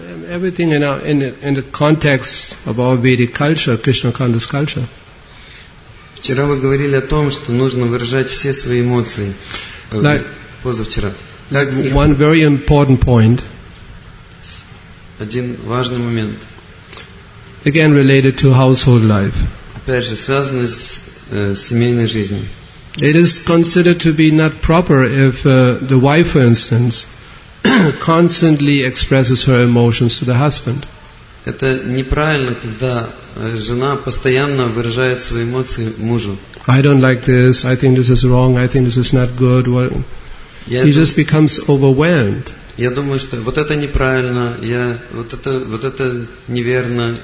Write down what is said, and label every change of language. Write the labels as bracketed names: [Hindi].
[English] Everything in our in the context of our Vedic culture, Krishna Kanda's culture. [Russian] Вчера вы говорили о том, что нужно выражать все свои эмоции. [English] Like, [Russian] позавчера. [English] Like one very important point. [Russian] Один важный момент. [English] Again related to household life. [Russian] Опять же, связанный с семейной жизнью. [English] It is considered to be not proper if the wife, for instance, constantly expresses her emotions to the husband. [Russian] Это неправильно, когда жена постоянно выражает свои эмоции мужу. [English] I don't like this. I think this is wrong. I think this is not good. Well, he just becomes overwhelmed. [Russian] Я думаю, что вот это неправильно. Вот это неверно.